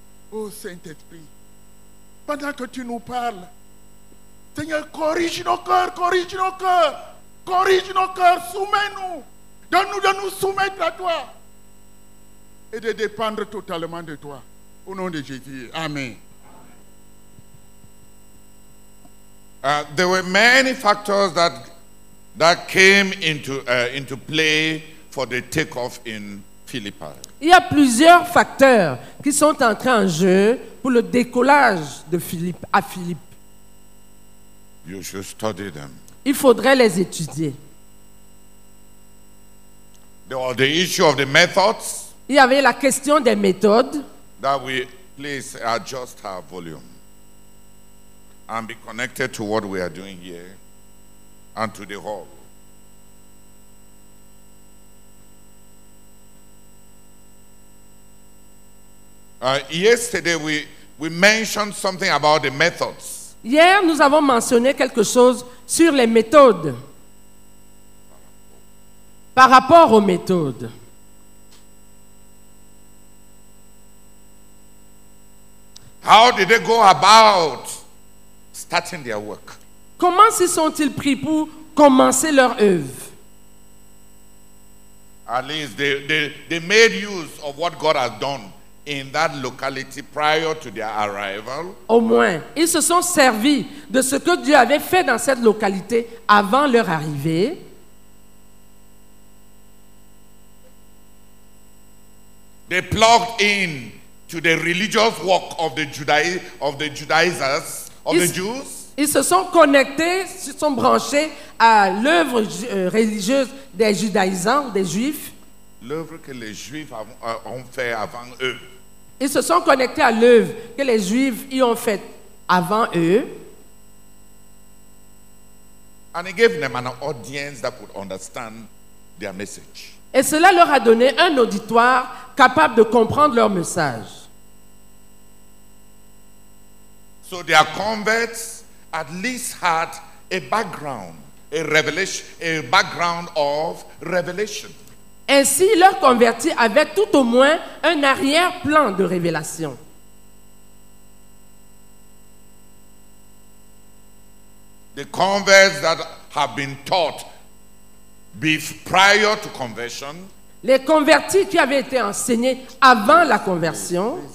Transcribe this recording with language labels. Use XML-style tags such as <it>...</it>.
<fr>Ô Saint-Esprit, pendant que tu nous parles, Seigneur, corrige nos cœurs, corrige nos cœurs, corrige nos cœurs, soumets-nous, donne-nous de nous soumettre à toi et de dépendre totalement de toi. Au nom de Jésus, amen.</fr> <en>There were many factors that came into play for the takeoff in Philippi.</en> <fr>Il y a plusieurs facteurs qui sont entrés en jeu pour le décollage de Philippe à Philippe.</fr> <en>You should study them.</en> <fr>Il faudrait les étudier.</fr> <en>There was the issue of the methods.</en> <fr>Il y avait la question des méthodes.</fr> <en>That we please adjust our volume and be connected to what we are doing here and to the hall. Yesterday we mentioned something about the methods.</en> <fr>Hier, nous avons mentionné quelque chose sur les méthodes. Par rapport aux méthodes.</fr> <en>How did they go about starting their work?</en> <fr>Comment s'y sont-ils pris pour commencer leur œuvre?</fr> <en>At least they made use of what God has done in that locality prior to their arrival.</en> <fr>Au moins, ils se sont servis de ce que Dieu avait fait dans cette localité avant leur arrivée.</fr> <en>They plugged in to the religious work of the Judaizers of the Jews.</en> <fr>Ils se sont connectés, se sont branchés à l'œuvre religieuse des Judaïsants, des Juifs. L'œuvre que les Juifs ont fait avant eux. Ils se sont connectés à l'œuvre que les Juifs y ont faite avant eux.</fr> <en>And he gave them an audience that could understand their message.</en> <fr>Et cela leur a donné un auditoire capable de comprendre leur message.</fr> <en>So their converts at least had a background, a background of revelation.</en> <fr>Ainsi, leurs convertis avaient tout au moins un arrière-plan de révélation.</fr> <en>The converts that have been taught prior to conversion.</en> <fr>Les convertis qui avaient été enseignés avant la conversion.</fr>